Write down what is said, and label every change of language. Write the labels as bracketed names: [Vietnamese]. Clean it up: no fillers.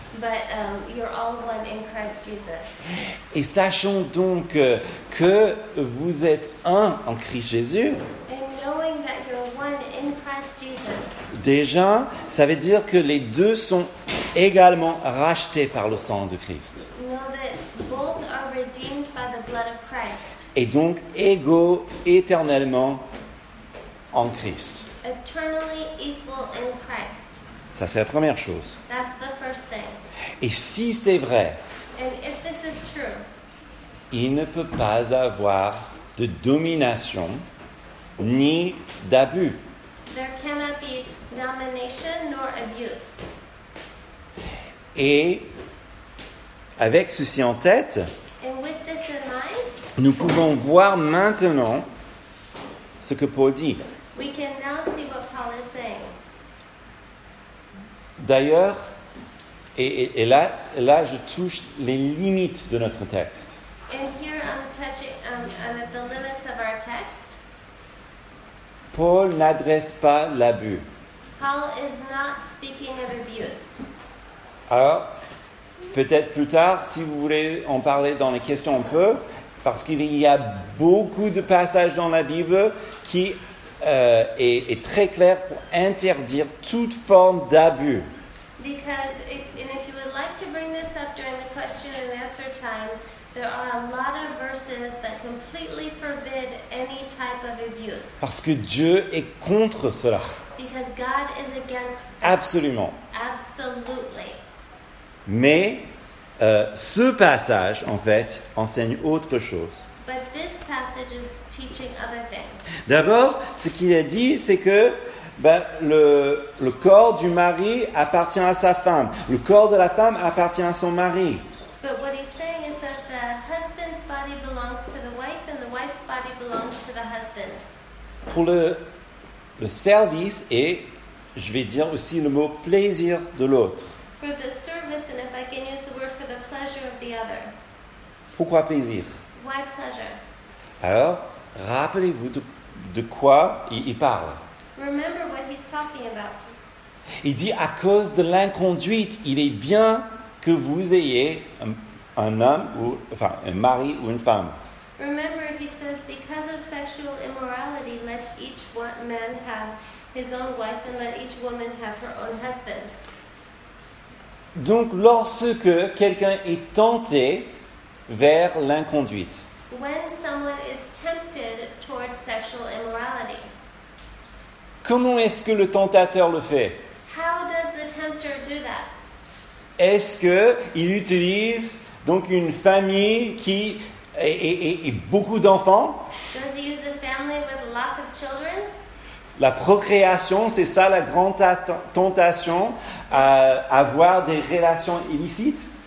[English] But you're all one in Christ Jesus. [French] Et sachons donc que vous êtes un en Christ Jésus. [English] And knowing that you're one in Christ Jesus. [French] Déjà, ça veut dire que les deux sont également rachetés par le sang de Christ. [English] Know that both are redeemed by the blood of Christ. [French] Et donc égaux éternellement en Christ. [English] Eternally equal in Christ. [French] Ça, c'est la première chose. [English] That's the first thing. [French] Et si c'est vrai, [English] and if this is true, [French] il ne peut pas avoir de domination ni d'abus. [English] There cannot be domination nor abuse. [French] Et avec ceci en tête, [English] and with this in mind, [French] nous pouvons voir maintenant ce que Paul dit. [English] We can now see what Paul is saying. [French] D'ailleurs, et là, je touche les limites de notre texte. [English] And here I'm touching, I'm at the limits of our text. [French] Paul n'adresse pas l'abus. [English] Paul is not speaking of abuse. [French] Alors, peut-être plus tard, si vous voulez en parler dans les questions un peu, parce qu'il y a beaucoup de passages dans la Bible qui est très clair pour interdire toute forme d'abus. [English] Because if you would like to bring this up during the question and answer time, there are a lot of verses that completely forbid any type of abuse. [French] Parce que Dieu est contre cela. [English] Because God is against. [French] Absolument. [English] Absolutely. [French] Mais ce passage, en fait, enseigne autre chose. [English] But this passage is teaching other things. [French] D'abord, ce qu'il a dit, c'est que le corps du mari appartient à sa femme. Le corps de la femme appartient à son mari. [English] But what he's saying is that the husband's body body belongs to the wife and the wife's body belongs to the husband. [French] Pour le service et je vais dire aussi le mot plaisir de l'autre. [English] For the service and if I can use the word for the pleasure of the other. [French] Pourquoi plaisir? [English] Why pleasure? [French] Alors, rappelez-vous de quoi il parle. [English] Remember what he's talking about. [French] Il dit à cause de l'inconduite, il est bien que vous ayez un homme ou enfin un mari ou une femme. [English] Remember, he says, because of sexual immorality, let each man have his own wife and let each woman have her own husband. [French] Donc, lorsque quelqu'un est tenté vers l'inconduite, [English] when someone is tempted toward sexual immorality, [French] comment est-ce que le tentateur le fait? [English] How does the tempter do that? [French] Est-ce qu'il utilise donc une famille qui et beaucoup d'enfants? [English] Does he use a family with lots of children? [French] La procréation, c'est ça la grande tentation à avoir des relations illicites?